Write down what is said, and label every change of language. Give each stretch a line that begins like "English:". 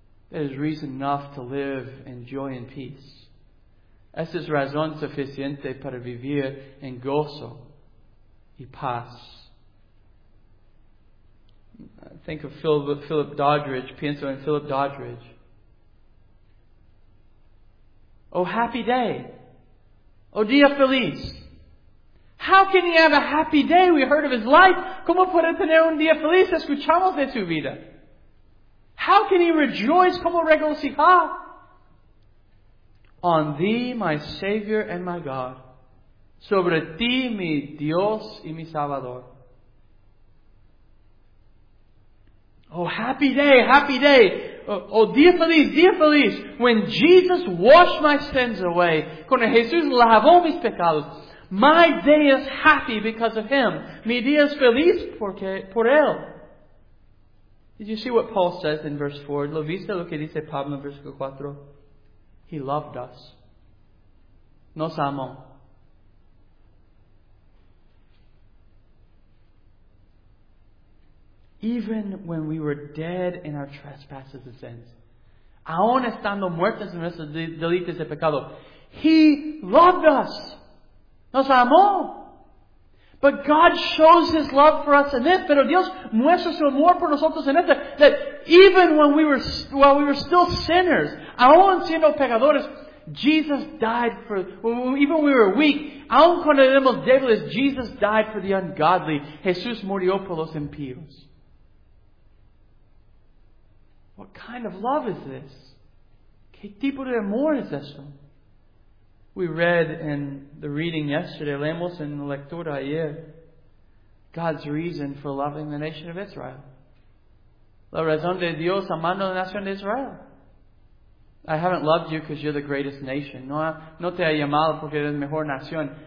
English: There is reason enough to live in joy and peace.
Spanish: Esa es razón suficiente para vivir en gozo y paz.
English: Think of Philip Doddridge.
Spanish: Pienso en Philip Doddridge.
English: Oh, happy day.
Spanish: Oh, día feliz.
English: How can he have a happy day? We heard of his life.
Spanish: ¿Cómo puede tener un día feliz? Escuchamos de su vida.
English: How can he rejoice?
Spanish: ¿Cómo regocijar?
English: On thee, my Savior and my God.
Spanish: Sobre ti, mi Dios y mi Salvador.
English: Oh, happy day, happy day.
Spanish: Oh, día feliz,
English: when Jesus washed my sins away,
Spanish: cuando Jesús lavó mis pecados,
English: my day is happy because of Him.
Spanish: Mi día es feliz porque, por Él.
English: Did you see what Paul says in verse 4?
Spanish: ¿Lo viste lo que dice Pablo en versículo 4?
English: He loved us.
Spanish: Nos amó.
English: Even when we were dead in our trespasses and sins,
Spanish: aun estando muertos en nuestros delitos y pecados,
English: He loved us.
Spanish: Nos amó.
English: But God shows His love for us in this.
Spanish: Pero Dios muestra su amor por nosotros en esto.
English: That even when we were still sinners,
Spanish: aun siendo pecadores,
English: Jesus died for, even when we were weak,
Spanish: aun cuando éramos débiles,
English: Jesus died for the ungodly.
Spanish: Jesús murió por los impíos.
English: What kind of love is this?
Spanish: ¿Qué tipo de amor es esto?
English: We read in the reading yesterday,
Spanish: leemos en la lectura ayer,
English: God's reason for loving the nation of Israel.
Spanish: La razón de Dios amando la nación de Israel.
English: I haven't loved you because you're the greatest nation.
Spanish: No te he llamado porque eres mejor nación.